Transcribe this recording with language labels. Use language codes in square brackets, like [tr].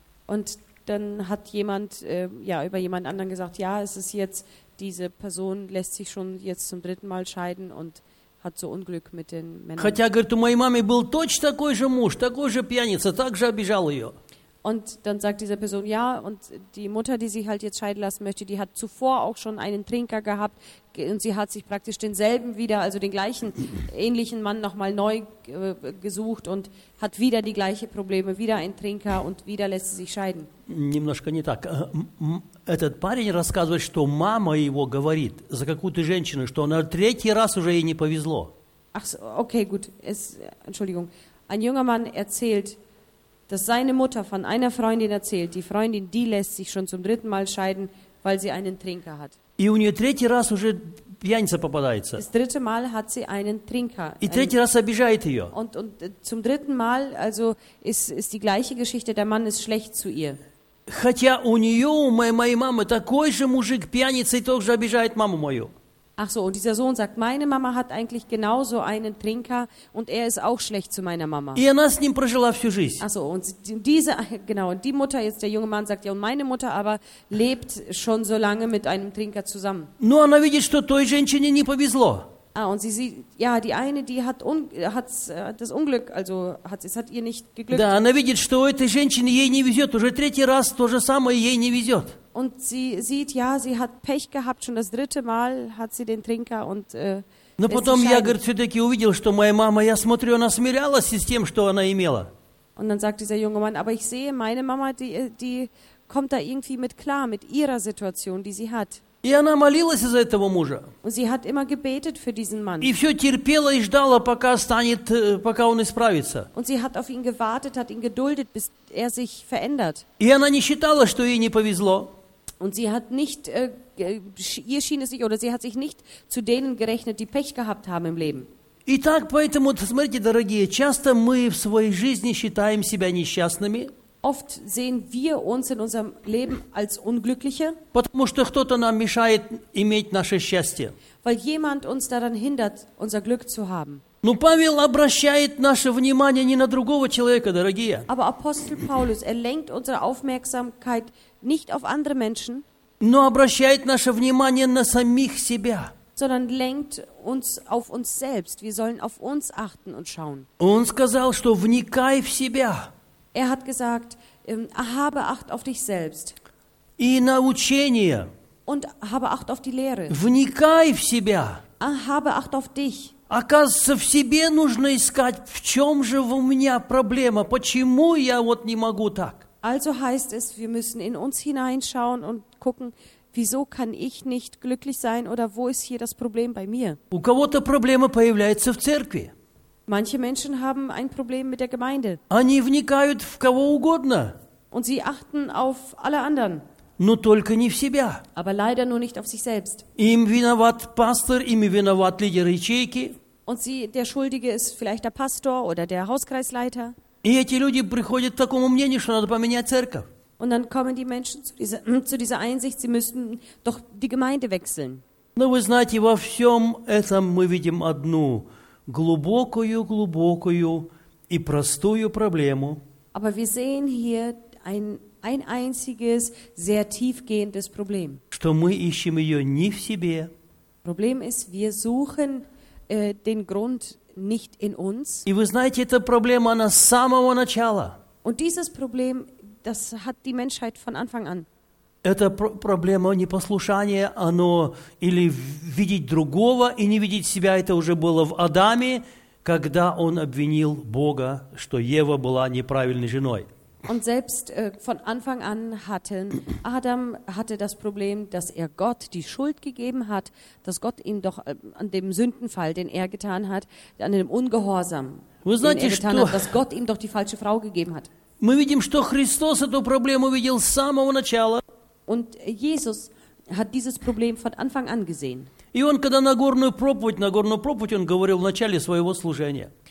[de] Und dann hat jemand über jemand anderen gesagt, ja, es ist jetzt diese Person lässt sich schon jetzt zum dritten Mal scheiden und hat so Unglück mit den Männern. [ru] Хотя, говорит, у моей мамы был точно такой же муж, такой же пьяница, так же обижал ее. [de] Und dann sagt diese Person, ja, und die Mutter, die sich halt jetzt scheiden lassen möchte, die hat zuvor auch schon einen Trinker gehabt und sie hat sich praktisch denselben wieder, also den gleichen, ähnlichen Mann nochmal neu gesucht und hat wieder die gleichen Probleme, wieder ein Trinker und wieder lässt sie sich scheiden. [ru] Немножко не так. Этот парень рассказывает, что мама его говорит за какую-то женщину, что она третий раз уже ей не повезло. [de] Ach so, okay, gut. Entschuldigung. Ein junger Mann erzählt, dass seine Mutter von einer Freundin erzählt, die Freundin, die lässt sich schon zum dritten Mal scheiden, weil sie einen Trinker hat. [ru] И у нее третий раз уже пьяница попадается. [de] Das dritte Mal hat sie einen Trinker. [ru] И третий раз обижает ее. [de] Und zum dritten Mal, also ist die gleiche Geschichte, der Mann ist schlecht zu ihr. [ru] Хотя у нее, у моей мамы, такой же мужик, пьяница, и тоже обижает маму мою. [de] Ach so, und dieser Sohn sagt, meine Mama hat eigentlich genauso einen Trinker und er ist auch schlecht zu meiner Mama. [ru] И она с ним прожила всю жизнь. [de] Ach so, und die Mutter jetzt, der junge Mann sagt, ja, und meine Mutter aber lebt schon so lange mit einem Trinker zusammen. [ru] Но она видит, что той женщине не повезло. [de] Ah, und sie sieht, ja, die eine, die hat das Unglück, also es hat ihr nicht geglückt. [ru] Да, она видит, что этой женщине ей не везет, уже третий раз то же самое ей не везет. [de] Und sie sieht, ja, sie hat Pech gehabt, schon das dritte Mal hat sie den Trinker und [ru] Но потом я, говорит, все-таки увидел, что моя мама, я смотрю, она смирялась с тем, что она имела. [de] Und dann sagt dieser junge Mann, aber ich sehe, meine Mama, die kommt da irgendwie mit klar, mit ihrer Situation, die sie hat. [ru] И она молилась за этого мужа. [de] Und sie hat immer gebetet für diesen Mann. [ru] И все терпела и ждала, пока он исправится. [de] Und sie hat auf ihn gewartet, hat ihn geduldet, bis er sich verändert. [ru] И она не считала, что ей не повезло. [de] Und sie hat nicht, ihr schien es sich, oder sie hat sich nicht zu denen gerechnet, die Pech gehabt haben im Leben. [ru] Итак, поэтому, смотрите, дорогие, часто мы в своей жизни считаем себя несчастными. [de] Oft sehen wir uns in unserem Leben als Unglückliche. [ru] Потому что кто-то нам мешает иметь наше счастье. [de] Weil jemand uns daran hindert, unser Glück zu haben. [ru] Но Павел обращает наше внимание не на другого человека, дорогие. [de] Aber Apostel Paulus, er lenkt unsere Aufmerksamkeit nicht auf andere Menschen. [ru] Но обращает наше внимание на самих себя. [de] Sondern lenkt uns auf uns selbst. Wir sollen auf uns achten und schauen. [ru] Он сказал, что вникай в себя. [de] Er hat gesagt, habe Acht auf dich selbst. [ru] И на учение. [de] Und habe Acht auf die Lehre. [ru] Вникай в себя. [de] Habe Acht auf dich. [ru] Оказывается, в себе нужно искать, в чем же у меня проблема, почему я вот не могу так. [de] Also heißt es, wir müssen in uns hineinschauen und gucken, wieso kann ich nicht glücklich sein oder wo ist hier das Problem bei mir? [ru] У кого-то проблема появляется в церкви. [de] Manche Menschen haben ein Problem mit der Gemeinde. [ru] Они вникают в кого угодно. [de] Und sie achten auf alle anderen. [ru] Но только не в себя. [de] Aber leider nur nicht auf sich selbst. [ru] Им виноват пастор, им виноват лидер ячейки. [de] Und sie, der Schuldige ist vielleicht der Pastor oder der Hauskreisleiter. [ru] И эти люди приходят к такому мнению, что надо поменять церковь. [de] Und dann kommen die Menschen zu dieser Einsicht, sie müssten doch die Gemeinde wechseln. [ru] Но вы знаете, во всем этом мы видим одну глубокую и простую проблему. [de] Aber wir sehen hier ein einziges sehr tiefgehendes Problem. [ru] Что мы ищем её не в себе. [de] Problem ist, wir suchen den Grund nicht in uns. [ru] И вы знаете, эта проблема она с самого начала. [de] Und dieses Problem, das hat die Menschheit von Anfang an. [ru] Это проблема непослушания, оно или видеть другого и не видеть себя, это уже было в Адаме, когда он обвинил Бога, что Ева была неправильной женой. [de] Und selbst von Anfang an hatte Adam das Problem, dass er Gott die Schuld gegeben hat, dass Gott ihm doch an dem Sündenfall, den er getan hat, an dem Ungehorsam, [ru] Вы знаете, [de] den er getan [ru] что? [de] Hat, dass Gott ihm doch die falsche Frau gegeben hat. [ru] Мы видим, что Христос эту проблему видел с самого начала. [de] Und Jesus hat dieses Problem von Anfang an gesehen. [ru] И он, когда Нагорную проповедь, он говорил в начале своего служения.